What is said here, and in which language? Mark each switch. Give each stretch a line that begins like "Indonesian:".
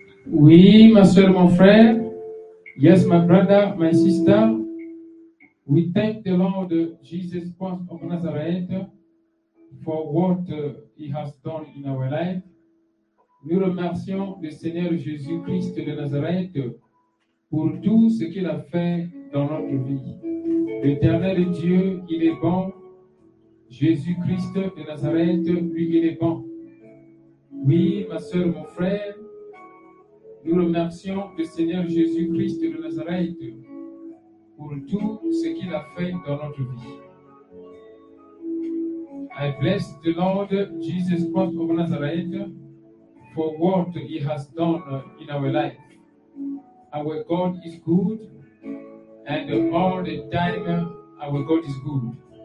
French: Oui, ma soeur, mon frère.
English: Yes, my brother, my sister. We thank the Lord Jesus Christ of Nazareth for what he has done in our life.
French: Nous remercions le Seigneur Jésus-Christ de Nazareth pour tout ce qu'il a fait dans notre vie. L'éternel Dieu, il est bon. Jésus-Christ de Nazareth, lui, il est bon. Oui, ma soeur, mon frère. Nous remercions le Seigneur Jésus-Christ de Nazareth pour tout ce qu'il a fait dans notre vie.
English: I bless the Lord Jesus Christ of Nazareth for what he has done in our life. Our God is good, and all the time our God is good.